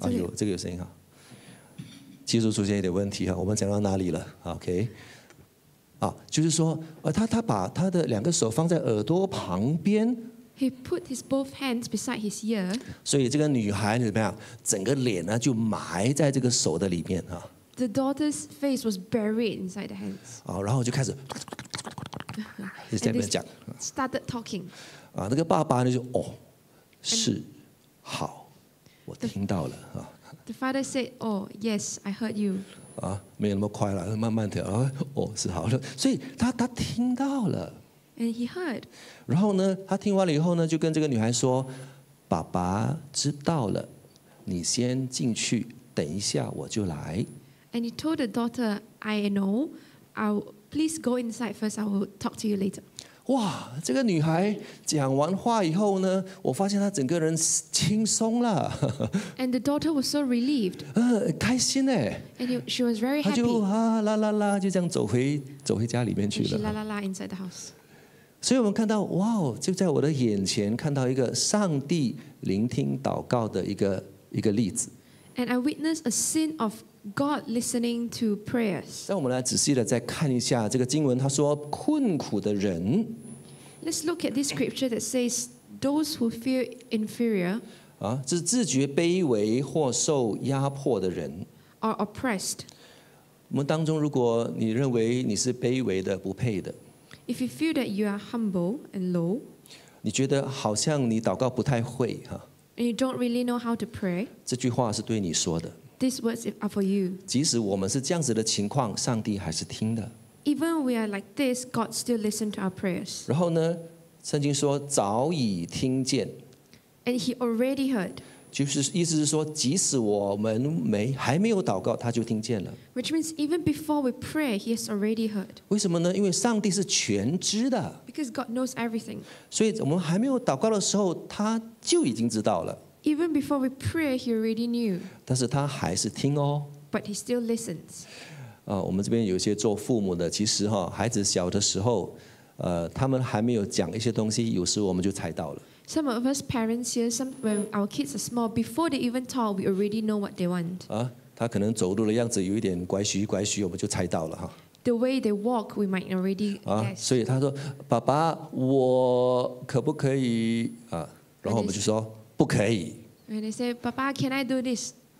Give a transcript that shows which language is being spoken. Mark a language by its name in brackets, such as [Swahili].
[Chinese] 啊，有这个有声音啊，技术出现一点问题啊，我们讲到哪里了 ？OK， 啊，就是说，他把他的两个手放在耳朵旁边。 [English] He put his both hands beside his ear. [Chinese] 所以这个女孩怎么样？整个脸呢就埋在这个手的里面啊。 [English] The daughter's face was buried inside the hands. [Chinese] 啊，然后就开始，就在那边讲。 [English] Started talking. [Chinese] 啊，那个爸爸呢就哦，是，好，我听到了啊。 [English] The father said, "Oh, yes, I heard you." [Chinese] 啊，没有那么快了，慢慢的啊，哦，是好的，所以他听到了。 [English] And he heard. [Chinese] 然后呢，他听完了以后呢，就跟这个女孩说：“爸爸知道了，你先进去，等一下我就来。” [English] And he told the daughter, "I know. I'll please go inside first. I will talk to you later." [Chinese] 哇，这个女孩讲完话以后呢，我发现她整个人轻松了。 [English] And the daughter was so relieved. [Chinese] 开心哎。 [English] And she was very happy. [Chinese] 她就啊啦啦啦，就这样走回家里面去了。 [English] She la la la inside the house. [Chinese] 所以我们看到，哇，就在我的眼前看到一个上帝聆听祷告的一个例子。 [English] And I witnessed a scene of God listening to prayers. [Chinese] 让我们来仔细的再看一下这个经文，他说困苦的人。 [English] Let's look at this scripture that says those who feel inferior. [Chinese] 啊，是自觉卑微或受压迫的人。 [English] Are oppressed. [Chinese] 我们当中，如果你认为你是卑微的、不配的 [English] ，If you feel that you are humble and low, [Chinese] 你觉得好像你祷告不太会哈。 [English] And you don't really know how to pray. [Chinese] 这句话是对你说的。 [English] These words are for you. [Chinese] 即使我们是这样子的情况，上帝还是听的。 [English] Even we are like this, God still listens to our prayers. [Chinese] 然后呢，圣经说早已听见。 [English] And he already heard. [Chinese] 就是意思是说，即使我们还没有祷告，他就听见了。 [English] Which means even before we pray, he has already heard. [Chinese] 为什么呢？因为上帝是全知的。 [English] Because God knows everything. [Chinese] 所以我们还没有祷告的时候，他就已经知道了。 [English] Even before we pray, he already knew. [Chinese] 但是他还是听哦。 [English] But he still listens. [Chinese] 我们这边有些做父母的，其实哈，孩子小的时候，他们还没有讲一些东西，有时我们就猜到了。 [English] Some of us parents here, when our kids are small, before they even talk, we already know what they want. [Chinese] 他可能走路的样子有一点拐徐拐徐，我们就猜到了哈。 [English] The way they walk, we might already guess. [Chinese] 所以他说，爸爸，我可不可以啊？然后我们就说。不可以。 [English] When they say, "Papa, can I do this?